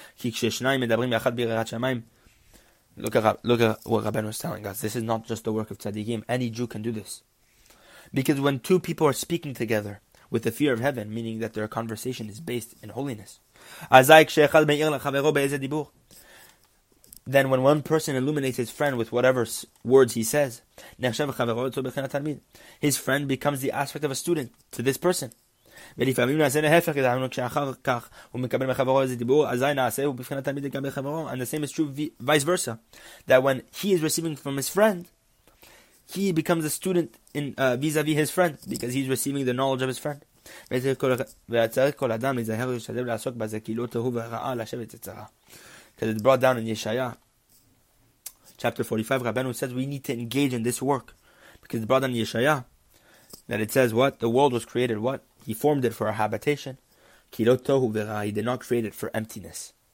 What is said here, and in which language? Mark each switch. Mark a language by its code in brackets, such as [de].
[he] כי כששניים מדברים יחד ביראת שמיים, [en] look at what Rabbeinu was telling us. This is not just the work of tzaddikim. Any Jew can do this. Because when two people are speaking together with the fear of heaven, meaning that their conversation is based in holiness, [he] אזי כשאחד מאיר לחברו באיזה דיבור, [en] then when one person illuminates his friend with whatever words he says, [he] נחשב חברו אותו בחינת תלמיד, [en] his friend becomes the aspect of a student to this person. [he] ולפעמים נעשה נהפך, כדענו כשאחר כך הוא מקבל מחברו איזה דיבור, אזי נעשה הוא בחינת תלמיד גם בחברו. [en] And the same is true vice versa, that when he is receiving from his friend, he becomes a student in vis-a-vis his friend, because he's receiving the knowledge of his friend. [he] וצריך כל אדם להיזהר ושתדל לעסוק בזה, כי לא תהו ורעה לשבת יצרה. [en] Because it's brought down in Yeshaya, chapter 45, Rabbeinu says we need to engage in this work. Because it's brought down in Yeshaya, that it says what? The world was created, what? He formed it for a habitation. Ki lo tohu v'ra, he did not create it for emptiness.